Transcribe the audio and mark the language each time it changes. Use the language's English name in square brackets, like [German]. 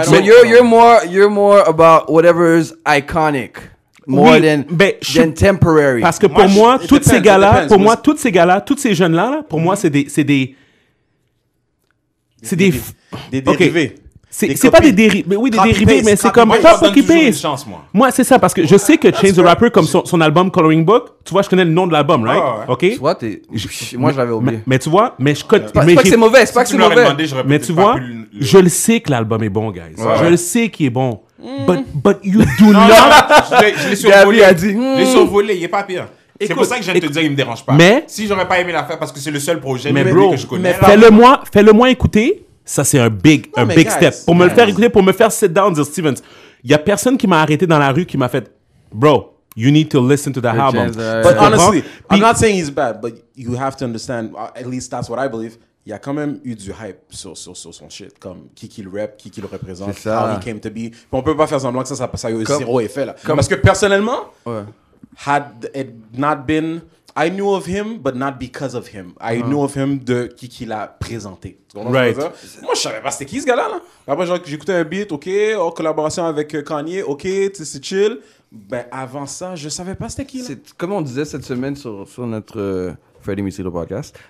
[French] Mais [English] you're more about whatever is iconic more than temporary. [French] Parce que pour moi, tous ces gars-là, pour moi, tous ces gars-là, tous ces jeunes-là, pour moi, c'est des dérivés. Mais oui, des dérivés, mais c'est comme pas occupé. Moi, c'est ça parce que je sais que Chance the Rapper, comme son album Coloring Book, tu vois, je connais le nom de l'album, right? OK? Tu vois, moi je l'avais oublié. Mais tu vois, mais je connais, mais c'est pas que c'est mauvais, c'est pas que c'est mauvais. Mais tu vois, je le sais que l'album est bon, guys. Ouais. Je le sais qu'il est bon. Mm. [English] But you do non, not. [French] Je l'ai survolé. Il est survolé. Il est pas pire. Écoute, c'est pour ça que je viens de te dire qu'il me dérange pas. Mais si j'aurais pas aimé l'affaire parce que c'est le seul projet mais bro, que je connais. Mais fais-le-moi écouter. Ça, c'est un big, non, un big guys, step. Pour me le faire écouter, pour me faire [English] sit down, [French] dire Stevens, il y a personne qui m'a arrêté dans la rue qui m'a fait, [English] bro, you need to listen to that album. But honestly, I'm not saying he's bad, but you have to understand, at least that's what I believe. [French] Il y a quand même eu du hype sur son shit, comme qui le rep, qui le représente, [English] how he came to be. [French] Puis on peut pas faire semblant que ça a eu zéro effet là. Parce que personnellement, [English] had it not been, I knew of him, but not because of him. I knew of him [French] de qui l'a présenté. [English] Right. [French] Moi, je savais pas c'était qui ce gars-là. Là. Après, j'écoutais un beat, ok, en collaboration avec Kanye, ok, c'est chill. Ben avant ça, je savais pas c'était qui. C'est, comme on disait cette semaine sur notre Freddy Mysterio podcast.